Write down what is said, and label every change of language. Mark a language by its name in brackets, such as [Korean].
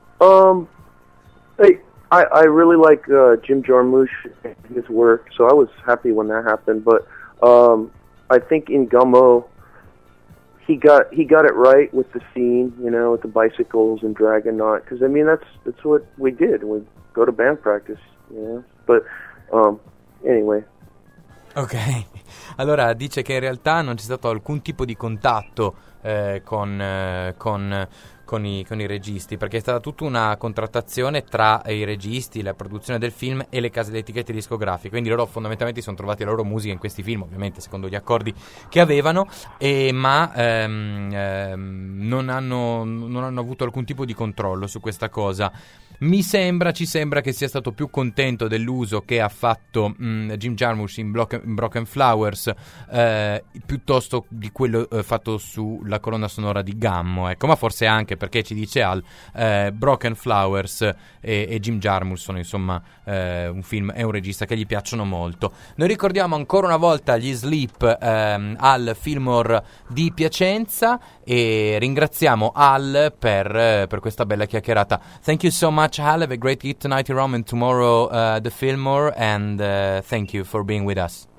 [English] I really like Jim Jarmusch and his work, so I was happy when that happened. But I think in Gummo, He got it right with the scene, you know, with the bicycles and drag and not, because I mean that's what we did. We go to band practice, you know. But anyway. [Italian] Okay, allora dice che in realtà non c'è stato alcun tipo di contatto con i registi, perché è stata tutta una contrattazione tra i registi, la produzione del film e le case di etichette discografiche. Quindi loro fondamentalmente si sono trovati la loro musica in questi film, ovviamente secondo gli accordi che avevano, ma non hanno avuto alcun tipo di controllo su questa cosa. Ci sembra che sia stato più contento dell'uso che ha fatto Jim Jarmusch in Broken Flowers piuttosto di quello fatto sulla colonna sonora di Gummo, ecco. Ma forse anche perché, ci dice Al, Broken Flowers e Jim Jarmusch sono, insomma, un film e un regista che gli piacciono molto. Noi ricordiamo ancora una volta gli Sleep al Fillmore di Piacenza, e ringraziamo Al per questa bella chiacchierata. [English] Thank you so much, Al. Have a great gig tonight in Rome, and tomorrow the Fillmore, and thank you for being with us.